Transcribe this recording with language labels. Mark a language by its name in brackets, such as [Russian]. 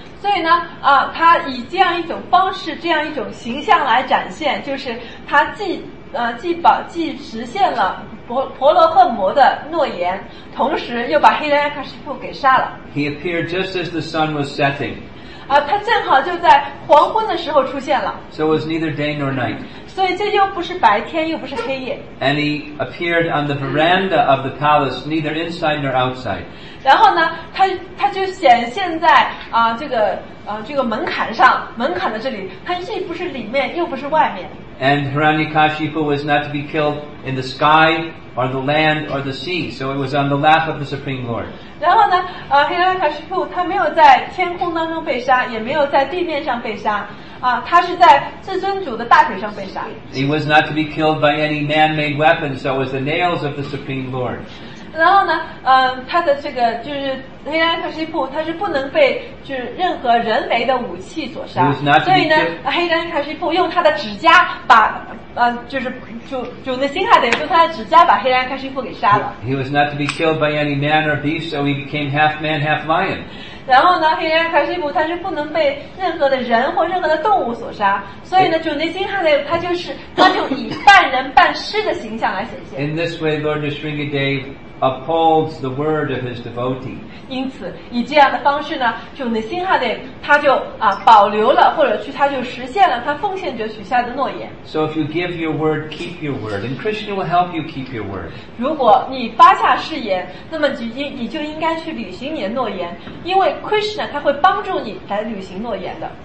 [Chinese] 所以呢，他以这样一种方式，这样一种形象来展现，就是他既实现了婆罗诃摩的诺言，同时又把 Hiranyakashipu 给杀了。 [English] He appeared just as the sun was setting. [Chinese] 他正好就在黄昏的时候出现了。 [English] So it was neither day nor night. [Chinese] 所以这又不是白天，又不是黑夜。 [English] And he appeared on the veranda of the palace, neither inside nor outside. [Chinese] 然后呢，他就显现在这个门槛上，门槛的这里，他既不是里面，又不是外面。 [English] And Hiranyakashipu was not to be killed in the sky, or the land, or the sea. So it was on the lap of the Supreme Lord. [Chinese] 然后呢，Hiranyakashipu他没有在天空当中被杀，也没有在地面上被杀。他是在至尊主的大腿上被杀。 [English] He was not to be killed by any man-made weapon, so it was the nails of the Supreme Lord. [Chinese] 然后呢，他的这个就是黑暗克西普，他是不能被就是任何人为的武器所杀。 [English] He was not to be killed. [Chinese] 所以呢，黑暗克西普用他的指甲把就那辛哈德用他的指甲把黑暗克西普给杀了。 [English] He was not to be killed by any man or beast, so he became half man, half lion. [Chinese] 然后呢，黑暗卡西普他是不能被任何的人或任何的动物所杀，所以呢，主内辛哈雷他就以半人半狮的形象来显现。 [English] In this way, Lord Nrisingadev upholds the word of his devotee. [Chinese] 因此，以这样的方式呢，主内辛哈雷他就保留了，或者去他就实现了他奉献者许下的诺言。 [English] So if you give your word, keep your word, and Krishna will help you keep your word. [Chinese] 如果你发下誓言，那么你就应该去履行你的诺言，因为Krishna 他会帮助你来履行诺言的。